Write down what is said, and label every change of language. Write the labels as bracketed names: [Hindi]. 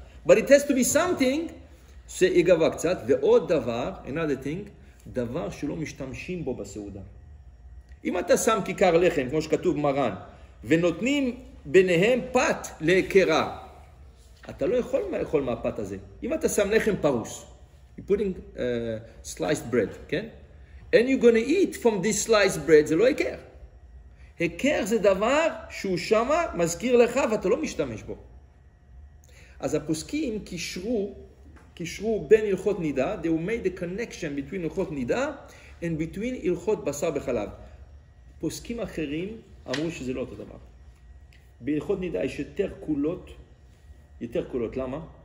[English] But it has to be something [Hebrew] שיהיה גבוה קצת. ועוד דבר, [English] another thing, [Hebrew] דבר שלא משתמשים בו בסעודה. אם אתה שם כיכר לחם, כמו שכתוב מרן, ונותנים ביניהם פת להיכרה, אתה לא יכול לאכול מהפת הזה. אם אתה שם לחם פרוס, [English] you're putting sliced bread, [Hebrew] כן? [English] And you're going to eat from this sliced bread, [Hebrew] זה לא היכר. היכר זה דבר שהוא שם מזכיר לך ואתה לא משתמש בו. אז הפוסקים קישרו בין הלכות נידה, [English] they made a connection between [Hebrew] הלכות נידה and between הלכות בשר בחלב. פוסקים אחרים אמרו שזה לא אותו דבר. בהלכות נידה יש יותר קולות, למה?